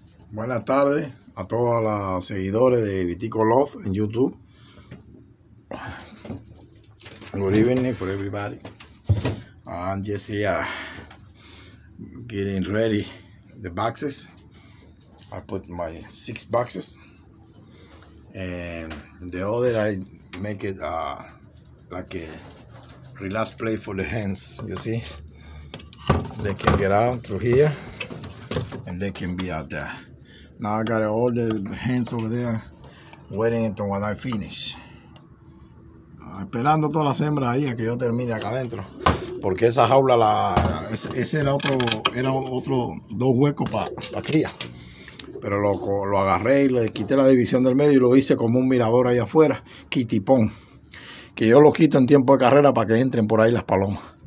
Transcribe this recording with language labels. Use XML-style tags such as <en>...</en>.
<es>Buenas tardes a todos los seguidores de Vitico Love en YouTube.</es> <en>Good evening for everybody. I'm just here getting ready the boxes. I put my 6 boxes. And the other I make it like a relaxed play for the hands, you see? They can get out through here, and they can be out there. Now I got all the hands over there waiting until when I finish.</en> <es>Esperando todas las hembras ahí a que yo termine acá adentro, porque esa jaula ese era otro dos huecos para cría. Pero lo agarré y le quité la división del medio y lo hice como un mirador ahí afuera, quitipón, que yo lo quito en tiempo de carrera para que entren por ahí las palomas.</es>